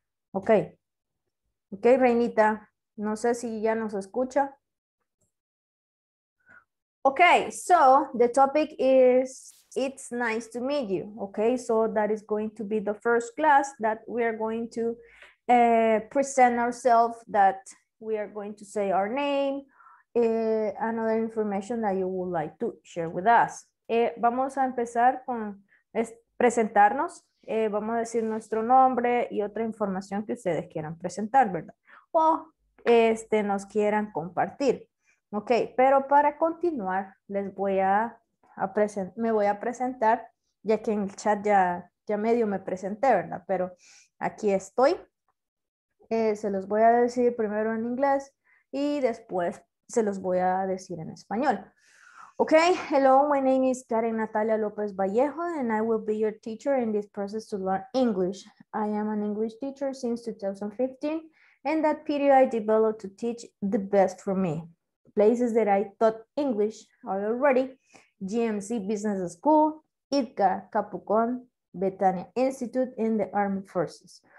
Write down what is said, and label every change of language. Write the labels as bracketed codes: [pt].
[es] Okay, Reinita, no sé si ya nos escucha. [en] Okay, so the topic is, it's nice to meet you. Okay, so that is going to be the first class that we are going to present ourselves, that we are going to say our name, another information that you would like to share with us. [es] Vamos a empezar con presentarnos. Vamos a decir nuestro nombre y otra información que ustedes quieran presentar, ¿verdad? O nos quieran compartir. Ok, pero para continuar, les voy a presentar, ya que en el chat ya medio me presenté, ¿verdad? Pero aquí estoy. Se los voy a decir primero en inglés y después se los voy a decir en español. [en] Ok, hello, my name is Karen Natalia López Vallejo and I will be your teacher in this process to learn English. I am an English teacher since 2015. In that period, I developed to teach the best for me. Places that I taught English are already GMC Business School, ITCA, Capucon, Betania Institute, and the Armed Forces.